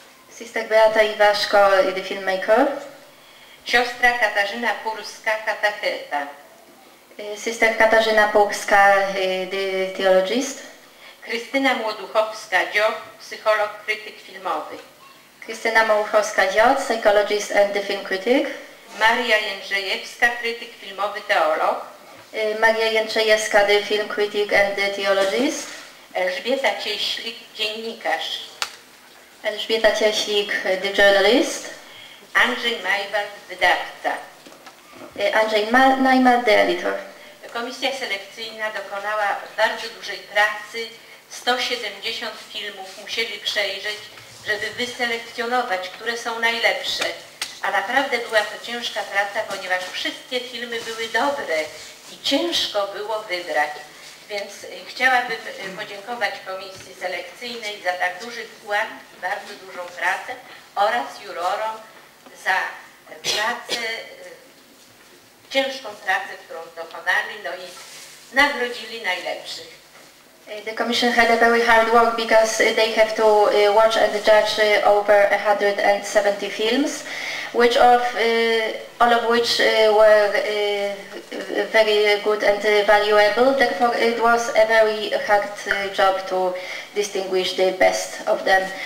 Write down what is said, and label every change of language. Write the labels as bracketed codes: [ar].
[en] Sister Beata Iwaszko, the filmmaker. [pl] Siostra Katarzyna Purska, katecheta. [en] Sister Katarzyna Purska, the theologist. [pl] Krystyna Młoduchowska-Dziob, psycholog, krytyk filmowy. [en] Krystyna Małuchowska-Dziot, psychologist and the film critic. [pl] Maria Jędrzejewska, krytyk filmowy, teolog. [en] Maria Jędrzejewska, the film critic and the theologist. [pl] Elżbieta Cieślik, dziennikarz. [en] Elżbieta Cieślik, the journalist. [pl] Andrzej Majwal, wydawca. [en] Andrzej Najmal, the editor. [pl] Komisja selekcyjna dokonała bardzo dużej pracy. 170 filmów musieli przejrzeć, żeby wyselekcjonować, które są najlepsze. A naprawdę była to ciężka praca, ponieważ wszystkie filmy były dobre i ciężko było wybrać. Więc chciałabym podziękować komisji selekcyjnej za tak duży wkład i bardzo dużą pracę oraz jurorom za pracę, ciężką pracę, którą dokonali, no i nagrodzili najlepszych. [en] The commission had a very hard work because they have to watch and judge over 170 films, which of all of which were very good and valuable. Therefore, it was a very hard job to distinguish the best of them.